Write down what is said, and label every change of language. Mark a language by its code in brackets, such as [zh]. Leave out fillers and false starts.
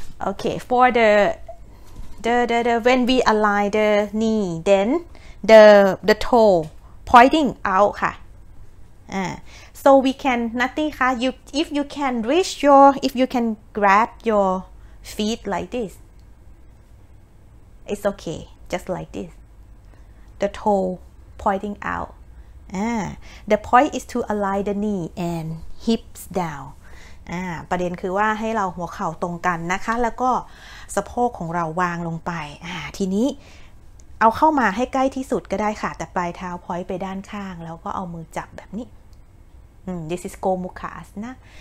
[en] okay for the when we align the knee then the toe pointing out ค่ะSo we can, Nati, if you can reach your, if you can grab your feet like this, it's okay, just like this. The toe pointing out. The point is to align the knee and hips down. [th] ประเด็นคือว่าให้เราหัวเข่าตรงกันนะคะแล้วก็สะโพกของเราวางลงไปทีนี้เอาเข้ามาให้ใกล้ที่สุดก็ได้ค่ะแต่ปลายเท้า point ไปด้านข้างแล้วก็เอามือจับแบบนี้ [en] This is Gomukha Asana.